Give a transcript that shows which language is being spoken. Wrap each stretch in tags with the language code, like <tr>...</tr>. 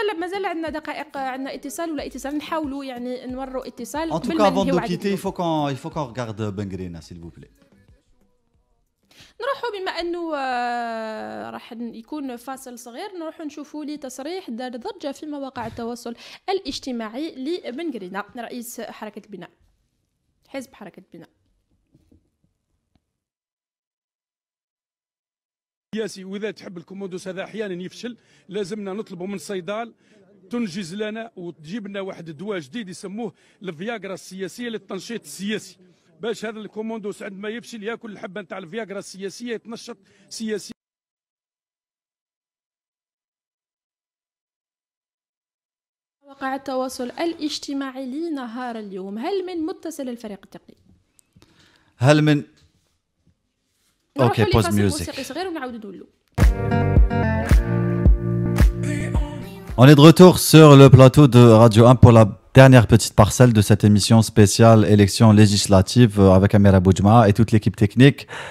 <ar>مازال عندنا دقائق، عندنا اتصال ولا اتصال، نحاولوا يعني نوروا اتصال.</ar> <fr>En tout cas, avant de quitter, il faut qu'on regarde Bengrina, s'il vous plaît.</fr> <ar>نروحوا بما انه راح يكون فاصل صغير، نروحوا نشوفوا لي تصريح دار ضجه في مواقع التواصل الاجتماعي لبنغرينا رئيس حركه البناء، حزب حركه البناء. ياسي واذا تحب الكومودوس هذا احيانا يفشل، لازمنا نطلبوا من صيدال تنجز لنا وتجيب لنا واحد الدواء جديد يسموه الفياغرا السياسيه للتنشيط السياسي، باش هذا الكومودوس عندما يفشل ياكل الحبه نتاع الفياغرا السياسيه يتنشط سياسي. مواقع التواصل الاجتماعي لنهار اليوم، هل من متصل الفريق التقني؟ هل من اوكي بوز ميوزيك صغير ونعاود ندولو</ar> <fr>On est de retour sur le plateau de Radio 1 pour la dernière petite parcelle de cette émission spéciale élections législatives avec Amira Boujma et toute l'équipe technique.</fr>